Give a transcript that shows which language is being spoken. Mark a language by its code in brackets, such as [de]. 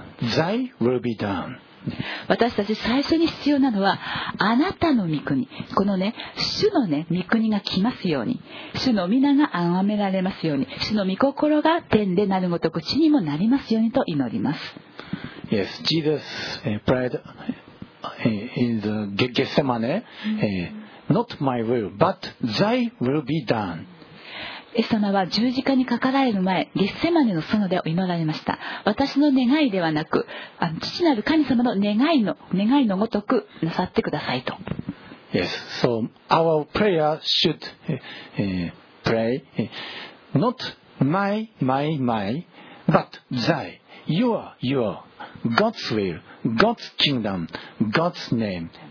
[en] Thy will be done. [ja] 私たち最初に必要なのはあなたの御国、このね、主のね、御国が来ますように、主の御名が崇められますように、主の御心が天でなるごとく地にもなりますようにと祈ります。 [en] Yes, Jesus prayed in the Gethsemane, not my will, but thy will be done. [ja] イエス様は十字架にかかられる前、ゲッセマネの園で祈られました。私の願いではなく、父なる神様の願いのごとくなさってくださいと。 [en] Yes, so our prayer should pray not my, but thy, your, God's will, God's kingdom, God's name.